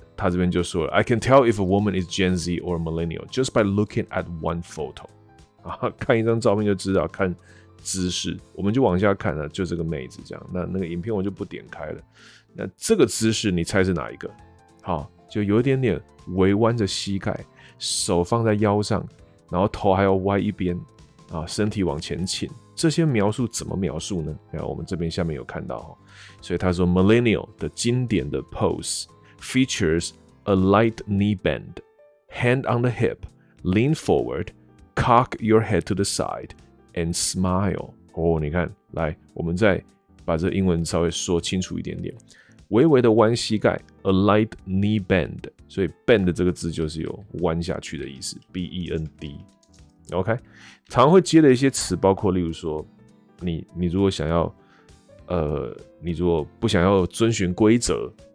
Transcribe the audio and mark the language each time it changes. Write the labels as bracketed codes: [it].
[zh] 他这边就说了 ， [en] I can tell if a woman is Gen Z or Millennial just by looking at one photo， [zh] 啊，看一张照片就知道，看姿势，我们就往下看了，就这个妹子这样，那个影片我就不点开了，那这个姿势你猜是哪一个？好，就有一点点微弯着膝盖，手放在腰上，然后头还要歪一边，啊，身体往前倾，这些描述怎么描述呢？然后我们这边下面有看到，所以他说 Millennial 的经典的 pose。 [en] Features a light knee bend, hand on the hip, lean forward, cock your head to the side, and smile. [zh] 哦、oh, ，你看，来，我们再把这英文稍微说清楚一点点。微微的弯膝盖 ， [en] a light knee bend. [zh] 所以 bend 这个字就是有弯下去的意思 ，B-E-N-D. OK， 常会接的一些词包括，例如说，你如果想要，你如果不想要遵循规则。